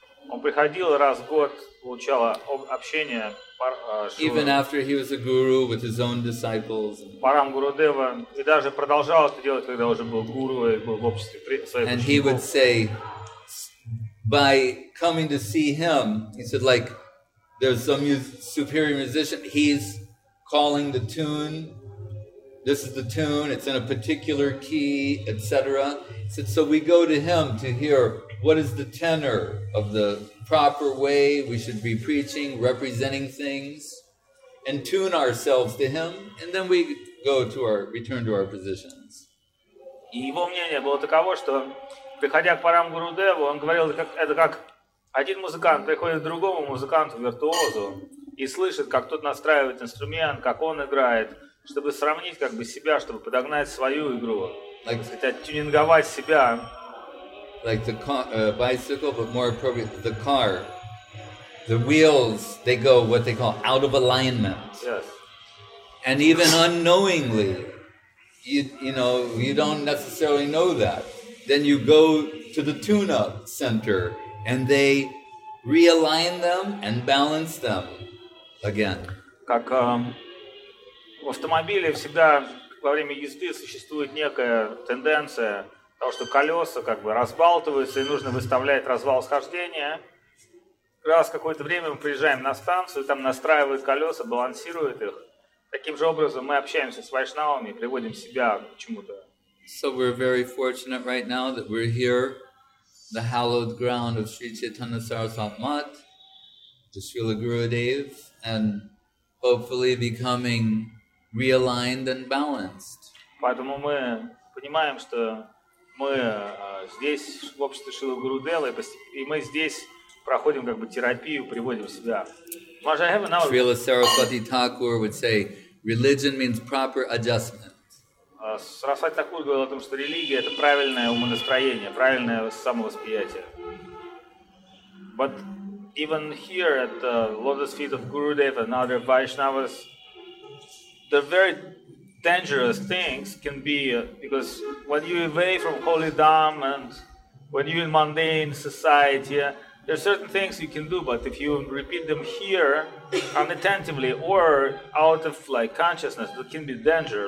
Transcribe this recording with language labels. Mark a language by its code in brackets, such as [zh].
[ru] Он приходил раз в год, получал общение. [en] Even after he was a guru with his own disciples. [ru] Парам Гурудева, и даже продолжал это делать, когда уже был гуру и был в обществе своих учеников. [en] And he would say, by coming to see him, he said, like, there's some superior musician, he's calling the tune, this is the tune, it's in a particular key, etc. He said, so we go to him to hear what is the tenor of the proper way we should be preaching, representing things, and tune ourselves to him, and then we go to our, return to our positions. [ru] И его мнение было таково, что приходя к Парам Гурудеву, он говорил, это как один музыкант приходит к другому музыканту, виртуозу, и слышит, как тот настраивает инструмент, как он играет, чтобы сравнить как бы себя, чтобы подогнать свою игру, like, так сказать, оттюнинговать себя. [en] Like the car, bicycle, but more appropriate, the car. The wheels, they go what they call out of alignment. Yes. And even unknowingly, you know, you don't necessarily know that. Then you go to the tune-up center, and they realign them and balance them again. [ru] Как в автомобиле всегда во время езды существует некая тенденция того, что колеса как бы разбалтываются, и нужно выставлять развал схождения. Раз какое-то время мы приезжаем на станцию, там настраивают колеса, балансируют их. Таким же образом мы общаемся с вайшнавами, приводим себя к чему-то. [en] So we're very fortunate right now that we're here, the hallowed ground of Sri Chaitanya Saraswati Math, the Srila Gurudev, and hopefully becoming realigned and balanced. [ru] Поэтому мы понимаем, что мы здесь, в обществе Шрилы Гурудевы, и мы здесь проходим как бы терапию, приводим себя. [en] Шрила Сарасвати Такур would say, religion means proper adjustment. [ru] Сарасвати Такур говорил о том, что религия — это правильное умонастроение, правильное самовосприятие. [en] But even here at the lotus feet of Gurudev and other Vaishnavas, the very dangerous things can be, because when you're away from holy dham and when you're in mundane society, there are certain things you can do, but if you repeat them here unattentively or out of like consciousness, it can be danger.